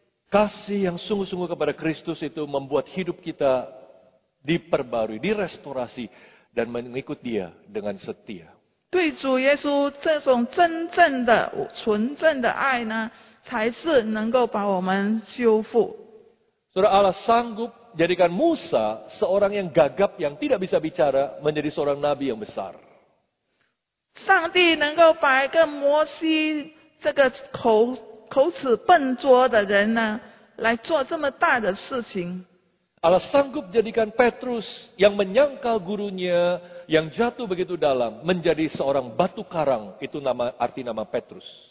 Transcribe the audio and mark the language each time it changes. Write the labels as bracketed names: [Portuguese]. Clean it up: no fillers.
[Indonesian] Kasih yang sungguh-sungguh kepada Kristus itu membuat hidup kita diperbarui, direstorasi, dan mengikut Dia dengan setia. [Chinese] 对主耶稣这种真正的纯正的爱呢，才是能够把我们修复。 [Indonesian] Saudara, Allah sanggup jadikan Musa seorang yang gagap yang tidak bisa bicara menjadi seorang nabi yang besar. [Chinese] 上帝能够把一个摩西这个口齿笨拙的人呢，来做这么大的事情。 [Indonesian] Allah sanggup jadikan Petrus yang menyangkal gurunya yang jatuh begitu dalam menjadi seorang batu karang, itu nama arti nama Petrus.